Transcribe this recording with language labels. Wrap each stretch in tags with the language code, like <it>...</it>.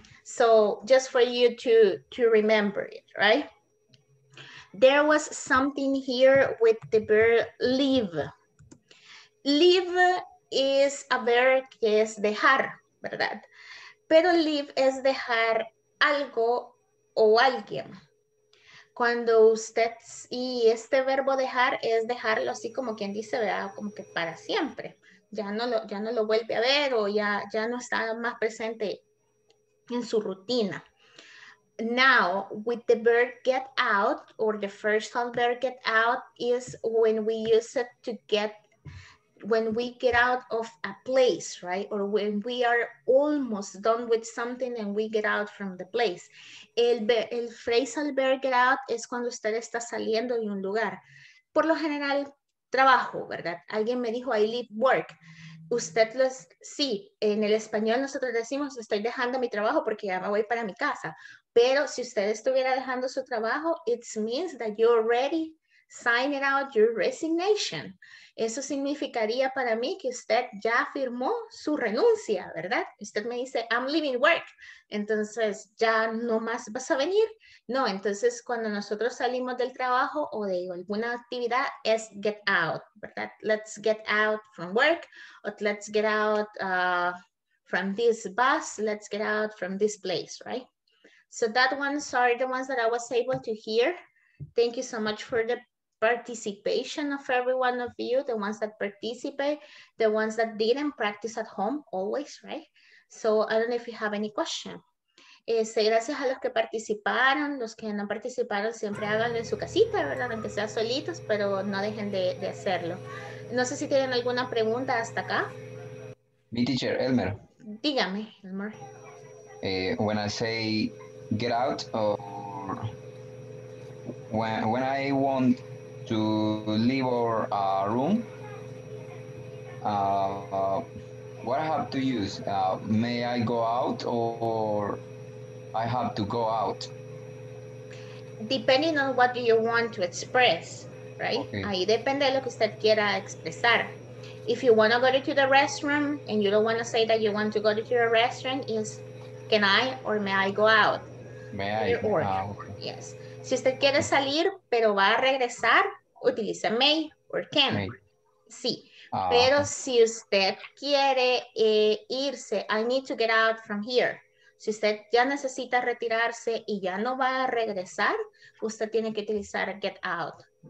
<en>So just for you to remember it, right? There was something here with the verb leave. Leave is a verb</en> <es>que es dejar, ¿verdad? Pero leave es dejar algo o alguien. Cuando usted, y este verbo dejar es dejarlo así como quien dice, ¿verdad? Como que para siempre. Ya no lo vuelve a ver o ya no está más presente en su rutina.</es> <en>Now, with the verb get out, or the first time verb get out, is when we use it to get, when we get out of a place, right? Or when we are almost done with something and we get out from the place.</en> <es>El phrasal verb get out es cuando usted está saliendo de un lugar. Por lo general, trabajo, ¿verdad? Alguien me dijo,</es> <en>I leave work.</en> <es>Usted los, sí, en el español nosotros decimos, estoy dejando mi trabajo porque ya me voy para mi casa. Pero si usted estuviera dejando su trabajo,</es> <en>it means that you already signed out your resignation.</en> <es>Eso significaría para mí que usted ya firmó su renuncia, ¿verdad? Usted me dice,</es> <en>I'm leaving work.</en> <es>Entonces, ¿ya no más vas a venir? No, entonces cuando nosotros salimos del trabajo o de alguna actividad, es get out, ¿verdad?</es> <en>Let's get out from work, or let's get out from this bus, let's get out from this place, right? So that one, sorry, the ones that I was able to hear. Thank you so much for the participation of every one of you, the ones that participate, the ones that didn't practice at home, always, right? So I don't know if you have any question.</en> <es>Gracias a los que participaron, los que no participaron, siempre háganlo en su casita, ¿verdad? Aunque sea solitos, pero no dejen de hacerlo. No sé si tienen alguna pregunta hasta acá. Mi teacher, Elmer. Dígame, Elmer.</es> <en>When I say get out, or when I want to leave our room, what I have to use? May I go out, or I have to go out? Depending on what you want to express, right? Okay.</en> <es>Ahí depende de lo que usted quiera expresar.</es> <en>If you want to go to the restroom and you don't want to say that you want to go to the restroom, is can I or may I go out? May I? Yes.</en> <es>Si usted quiere salir, pero va a regresar, utiliza may or can. May. Sí. Pero si usted quiere irse,</es> <en>I need to get out from here.</en> <es>Si usted ya necesita retirarse y ya no va a regresar, usted tiene que utilizar get out.</es>